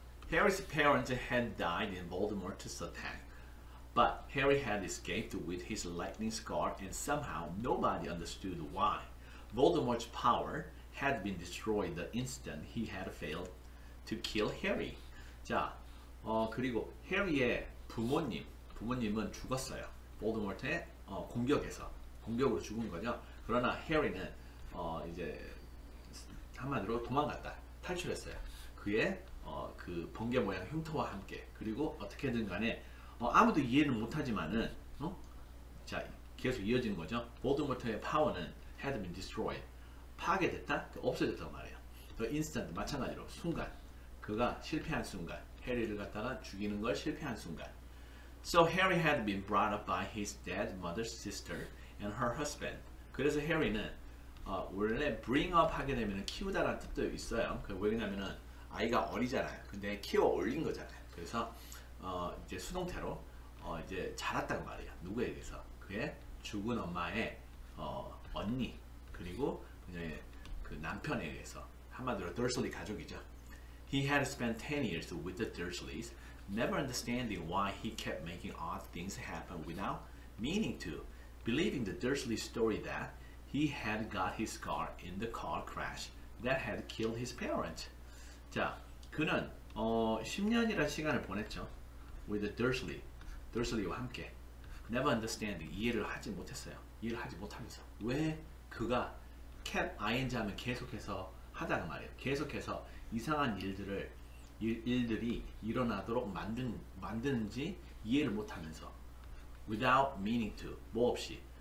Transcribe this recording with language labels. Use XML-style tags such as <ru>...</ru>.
<en>Harry's parents had died in Voldemort's attack, but Harry had escaped with his lightning scar, and somehow nobody understood why. Voldemort's power. had been destroyed the instant he had failed to kill Harry.</en> <ko>자, 그리고 해리의 부모님은 죽었어요. 볼드모트의 공격으로 죽은 거죠. 그러나 해리는 이제 한마디로 도망갔다. 탈출했어요. 그의 그 번개 모양 흉터와 함께 그리고 어떻게든 간에 아무도 이해는 못 하지만은 자, 계속 이어지는 거죠. 볼드모트의 파워는 had been destroyed. 파괴됐다? 없어졌단 말이에요. 더 인스턴트 마찬가지로 순간 그가 실패한 순간</ko> <en>해리를 갖다가 죽이는 걸 실패한 순간 So Harry had been brought up by his dead mother's sister and her husband.</en> <ko>그래서 해리는 원래 bring up 하게 되면 키우다라는 뜻도 있어요. 왜냐하면 아이가 어리잖아요. 근데 키워올린 거잖아요. 그래서 이제 수동태로 이제 자랐단 말이에요. 누구에게서? 그의 죽은 엄마의 언니 그리고 네, 그 남편에 의해서 한마디로 Dursley 가족이죠.</ko> <en>He had spent 10 years with the Dursleys, never understanding why he kept making odd things happen without meaning to, believing the Dursley story that he had got his scar in the car crash that had killed his parents. 자,</en> <ko>그는 10년이라 시간을 보냈죠. With Dursley, Dursley와 함께.</ko> <en>Never understand,</en> <ko>이해를 하지 못했어요. 이해를 하지 못하면서 왜 그가 캡 ING 하면 계속해서 하다가 말이에요. 계속해서 이상한 일들이 일어나도록 만든지 이해를 못하면서</ko> <en>without meaning to,</en> <ko>뭐 없이.</ko>